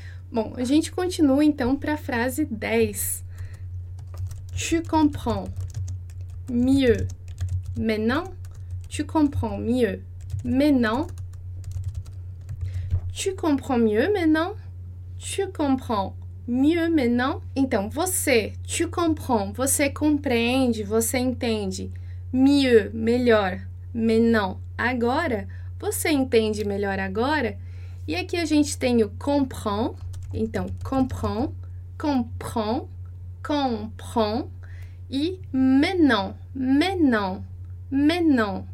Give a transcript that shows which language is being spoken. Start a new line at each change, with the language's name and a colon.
Portuguese: Bom, a gente continua então para a frase 10.
French: Tu comprends mieux maintenant? Tu comprends mieux maintenant? Tu comprends mieux maintenant? Tu comprends mieux maintenant?
Portuguese: Então, você,
French: tu comprends,
Portuguese: você compreende, você entende mieux, melhor, maintenant, agora? Você entende melhor agora? E aqui a gente tem o comprend, então comprend, comprend, comprend, e maintenant, maintenant, maintenant.